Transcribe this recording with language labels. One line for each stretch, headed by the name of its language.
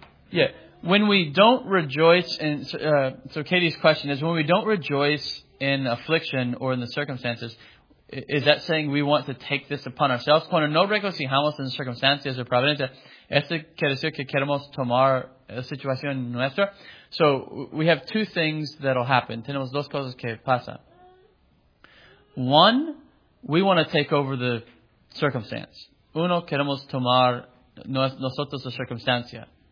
English: Yeah, when we don't rejoice in, so Katie's question is, when we don't rejoice in affliction or in the circumstances, is that saying we want to take this upon ourselves?
Spanish: Cuando no regocijamos en circunstancias o providencia, ¿esto quiere decir que queremos tomar la situación nuestra?
English: So we have two things that will happen.
Spanish: Tenemos dos cosas que pasan.
English: One, we want to take over the circumstance.
Spanish: Uno, queremos tomar nosotros la circunstancia.